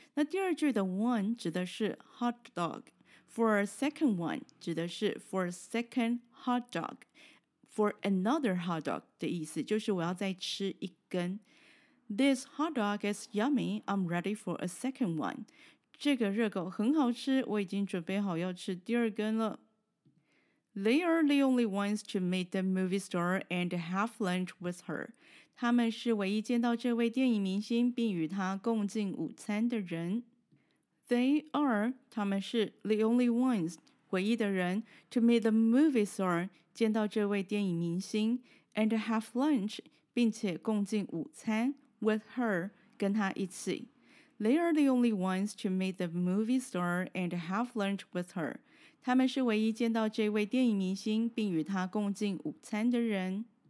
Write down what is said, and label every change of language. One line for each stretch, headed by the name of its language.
Chinese: 那第二句的 one 指的是 hot dog,
English: for a second one
Chinese: 指的是
English: for a second hot dog,
Chinese: for another hot dog 的意思就是我要再吃一根。
English: This hot dog is yummy. I'm ready for a second one.
Chinese: 这个热狗很好吃，我已经准备好要吃第二根了。
English: They are the only ones to meet the movie star and have lunch with her.
Chinese: 他们是唯一见到这位电影明星并与他共进午餐的人。
English: They are,
Chinese: 他们是
English: the only ones,
Chinese: 唯一的人
English: to meet the movie star,
Chinese: 见到这位电影明星
English: and have lunch,
Chinese: 并且共进午餐
English: with her,
Chinese: 跟他一起。
English: They are the only ones to meet the movie star and have lunch with her.
Chinese: 他们是唯一见到这位电影明星并与他共进午餐的人。